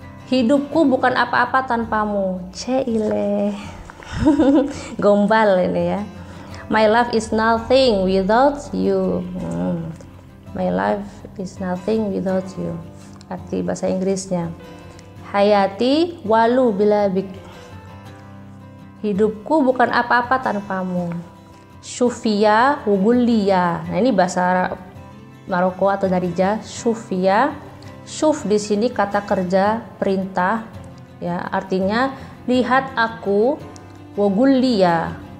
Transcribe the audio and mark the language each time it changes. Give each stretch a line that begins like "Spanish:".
Indonesian: Hidupku bukan apa-apa tanpamu. Ceile. Gombal ini ya.
English: My life is nothing without you. My life is nothing without you.
Indonesian: Arti bahasa Inggrisnya.
Arabic: Hayati walu blabik.
Indonesian: Hidupku bukan apa-apa tanpamu. Sufia Wugulia. Nah ini bahasa Maroko atau Darija. Sufia. Suf di sini kata kerja perintah. Ya, artinya lihat aku Wugulia.